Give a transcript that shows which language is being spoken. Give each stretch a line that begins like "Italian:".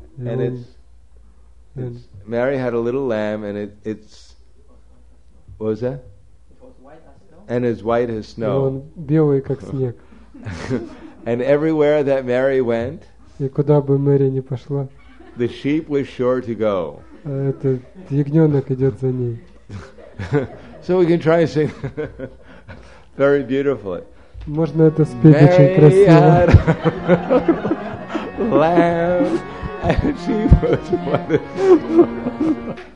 English: And it's Mary had a little lamb, and it's, what was that? And as white as snow.
Russian: И он белый, как снег.
English: And everywhere that Mary went,
Russian: и куда бы Мэри ни пошла,
English: the sheep was sure to go.
Russian: Этот ягненок идет за ней.
English: So we can try and sing very beautifully.
Russian: Можно это спеть
English: Mary
Russian: очень красиво.
English: Had lamb, and she was white as snow.